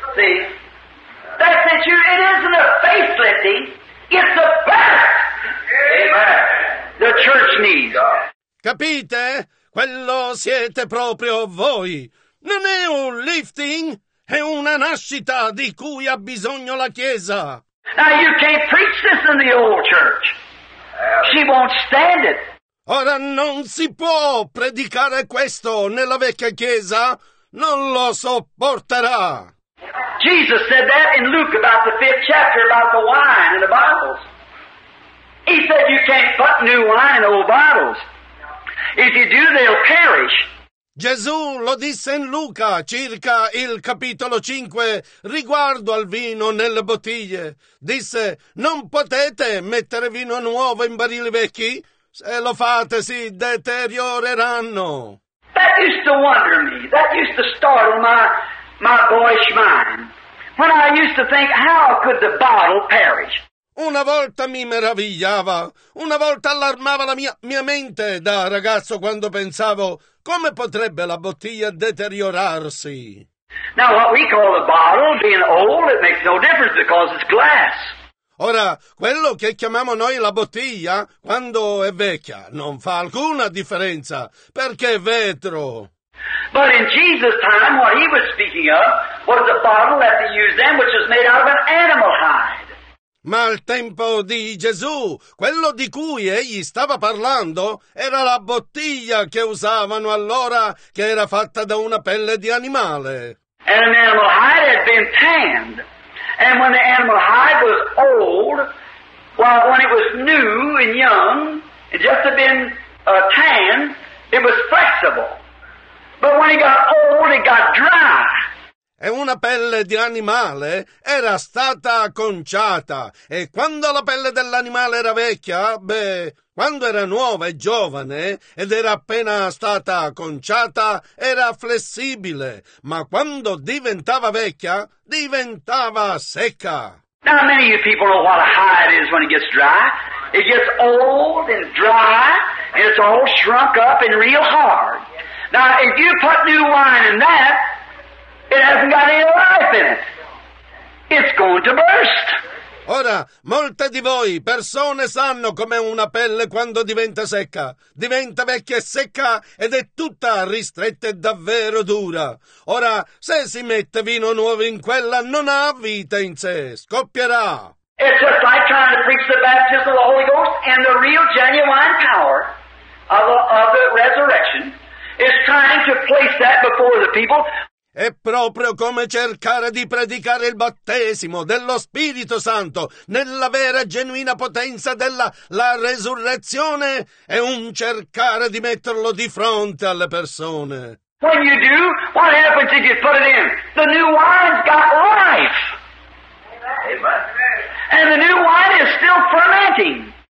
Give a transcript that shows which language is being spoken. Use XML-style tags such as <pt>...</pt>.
<en>See, that's it, it isn't a facelifting, it's a birth. Amen. The church needs.</en> <it>Capite? Quello siete proprio voi. Non è un lifting, è una nascita di cui ha bisogno la Chiesa.</it> <en>Now you can't preach this in the old church. She won't stand it.</en> <it>Ora non si può predicare questo nella vecchia Chiesa. Non lo sopporterà.</it> <en>Jesus said that in Luke about the fifth chapter about the wine and the bottles. He said you can't put new wine in old bottles. If you do, they'll perish.</en> <it>Gesù lo disse in Luca circa il capitolo 5 riguardo al vino nelle bottiglie. Disse: non potete mettere vino nuovo in barili vecchi? Se lo fate, si deterioreranno.</it> <en>That used to wonder me. That used to startle my boyish mind. When I used to think, how could the bottle perish?</en> <it>Una volta mi meravigliava, una volta allarmava la mia mente da ragazzo quando pensavo come potrebbe la bottiglia deteriorarsi.</it> <en>Now what we call a bottle being old, it makes no difference because it's glass.</en> <it>Ora, quello che chiamiamo noi la bottiglia, quando è vecchia, non fa alcuna differenza perché è vetro.</it> <en>But in Jesus' time, what he was speaking of was a bottle that they used then, which was made out of an animal hide.</en> <it>Ma al tempo di Gesù, quello di cui egli stava parlando era la bottiglia che usavano allora, che era fatta da una pelle di animale.</it> <en>And an animal hide had been tanned. And when the animal hide was old, well, when it was new and young, it just had been tanned, it was flexible. But when it got old, it got dry.</en> <it>E una pelle di animale era stata conciata. E quando la pelle dell'animale era vecchia, beh, quando era nuova e giovane ed era appena stata conciata, era flessibile. Ma quando diventava vecchia, diventava secca.</it> <en>Now many of you people know what a hide is when it gets dry. It gets old and dry and it's all shrunk up and real hard. Now if you put new wine in that, it hasn't got any life in it. It's going to burst.</en> <it>Ora, molte di voi persone sanno com'è una pelle quando diventa secca. Diventa vecchia e secca ed è tutta ristretta e davvero dura. Ora, se si mette vino nuovo in quella, non ha vita in sé. Scoppierà.</it> <en>It's just like trying to preach the baptism of the Holy Ghost and the real genuine power of the resurrection is trying to place that before the people.</en> <it>È proprio come cercare di predicare il battesimo dello Spirito Santo nella vera e genuina potenza della la resurrezione e un cercare di metterlo di fronte alle persone.</it> <en>When you do, what happens if you put it in? The new wine's got life. Amen. And the new wine is still fermenting.</en>